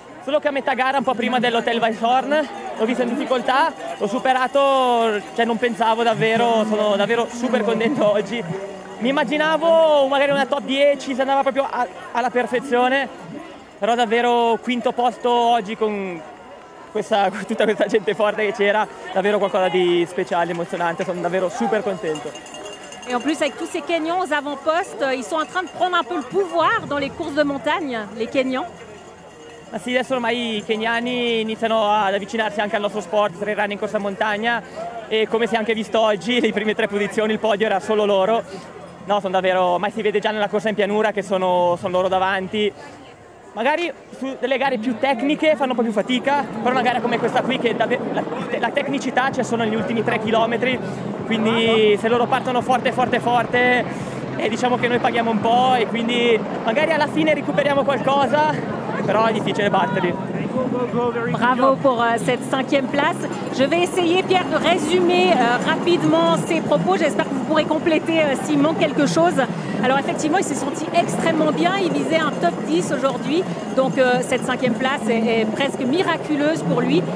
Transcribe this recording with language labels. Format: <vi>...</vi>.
<it>Solo che a metà gara, un po' prima dell'Hotel Weisshorn, l'ho visto in difficoltà, l'ho superato, cioè non pensavo davvero, sono davvero super contento oggi. Mi immaginavo magari una top 10, se andava proprio alla perfezione, però davvero quinto posto oggi con tutta questa gente forte che c'era, davvero qualcosa di speciale, emozionante, sono davvero super contento.</it> <fr>Et en plus, avec tous ces Kenyans aux avant-postes, ils sont en train de prendre un peu le pouvoir dans les courses de montagne, les Kenyans.</fr> <it>Ma sì, adesso ormai i keniani iniziano ad avvicinarsi anche al nostro sport, tra i run in corsa montagna, e come si è anche visto oggi, le prime tre posizioni, il podio era solo loro. No, sono davvero, ma si vede già nella corsa in pianura che sono loro davanti. Magari su delle gare più tecniche fanno un po' più fatica, però una gara come questa qui, che la tecnicità c'è solo negli ultimi 3 chilometri, quindi se loro partono forte, forte, forte, e diciamo che noi paghiamo un po', e quindi magari alla fine recuperiamo qualcosa, però è difficile batterli.</it> <fr>Bravo pour cette cinquième place. Je vais essayer, Pierre, de résumer rapidement ses propos. J'espère que vous pourrez compléter s'il manque quelque chose. Alors effectivement, il s'est senti extrêmement bien. Il visait un top 10 aujourd'hui. Donc cette cinquième place est presque miraculeuse pour lui.</fr>